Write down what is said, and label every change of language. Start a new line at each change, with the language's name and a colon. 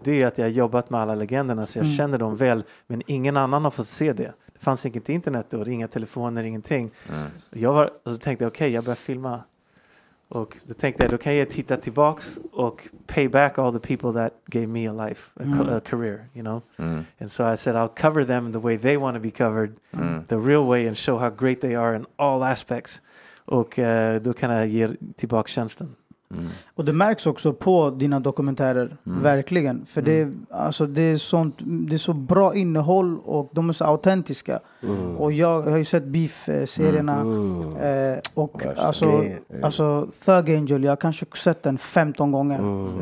Swedish: Det är att jag har jobbat med alla legenderna, så jag känner dem väl. Men ingen annan har fått se det. Det fanns inget internet då, inga telefoner, ingenting. Mm. Och så tänkte jag, okej, jag börjar filma. Och då tänkte jag, då kan jag titta tillbaks och
English: pay back all the people that gave me a life, a career, you know?
Swedish: Mm.
English: And so I said, I'll cover them the way they want to be covered, the real way, and show how great they are in all aspects.
Swedish: Och då kan jag ge tillbaka tjänsten. Mm. Och det märks också på dina dokumentärer, verkligen. För det, alltså, det är sånt, det är så bra innehåll och de är så autentiska. Mm. Och jag har ju sett Beef-serierna. Och alltså Thug Angel, jag har kanske sett den 15 gånger. Mm.